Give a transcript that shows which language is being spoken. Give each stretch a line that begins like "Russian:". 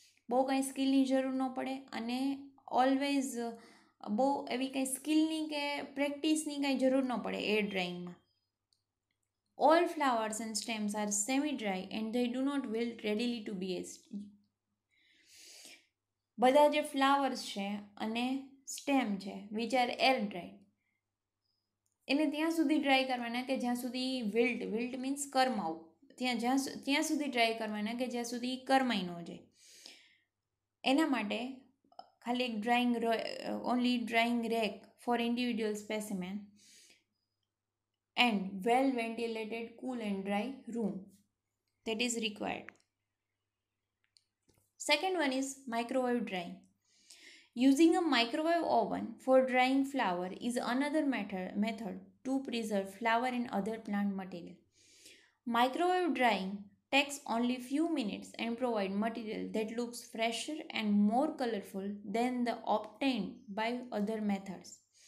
Gujarati: બહુ કંઈ સ્કિલની જરૂર ન પડે અને ઓલવેઝ બહુ એવી કંઈ સ્કિલની કે પ્રેક્ટિસની કંઈ જરૂર ન પડે air ડ્રાઇંગમાં.
English: All flowers and stems are semi-dry and they do not wilt readily to be aged.
Gujarati: બધા જે ફ્લાવર્સ છે અને સ્ટેમ છે
English: which are air dry
Gujarati: એને ત્યાં સુધી ડ્રાય કરવાના કે જ્યાં સુધી વિલ્ટ, વિલ્ટ મીન્સ કરમાવું, ત્યાં સુધી ડ્રાય કરવાના કે જ્યાં સુધી કરમાઈ ન જાય. એના માટે ખાલી એક
English: Drying only drying rack for individual specimen and well ventilated cool and dry room that is required. Second one is microwave drying. Using a microwave oven for drying flower is another method to preserve flower and other plant material. Microwave drying takes only few minutes and provide material that looks fresher and more colorful than the obtained by other methods.